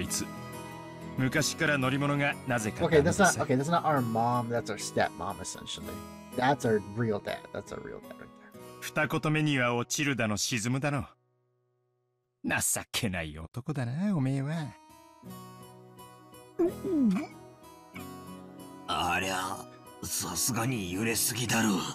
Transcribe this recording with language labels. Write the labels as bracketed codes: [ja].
[ja] バトラ君、てっきり怖いものなしだと思ってたから。こいつ、昔から乗り物がなぜか。Okay, [en] that's not our mom, that's our stepmom essentially. That's our real dad. That's our real dad right there. [ja] 二言目には落ちるだの沈むだの。情けない男だな、おめえは。ありゃ、さすがに揺れすぎだろ。